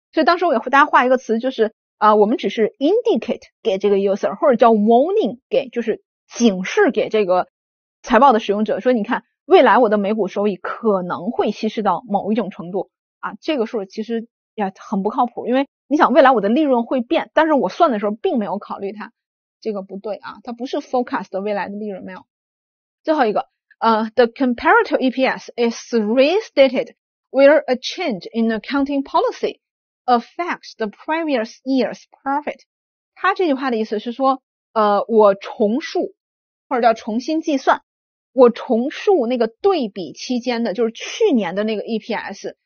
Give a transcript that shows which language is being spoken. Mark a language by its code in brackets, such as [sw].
[zh] 所以当时我给大家画一个词，就是啊，我们只是 indicate 给这个 user， 或者叫 warning 给，就是警示给这个财报的使用者，说你看未来我的每股收益可能会稀释到某一种程度啊，这个数其实也很不靠谱，因为你想未来我的利润会变，但是我算的时候并没有考虑它，这个不对啊，它不是 forecast 未来的利润，没有。最后一个。 [en] The comparative EPS is restated where a change in accounting policy affects the previous year's profit. [zh] 他这句话的意思是说，我重述或者叫重新计算，我重述那个对比期间的，就是去年的那个 EPS。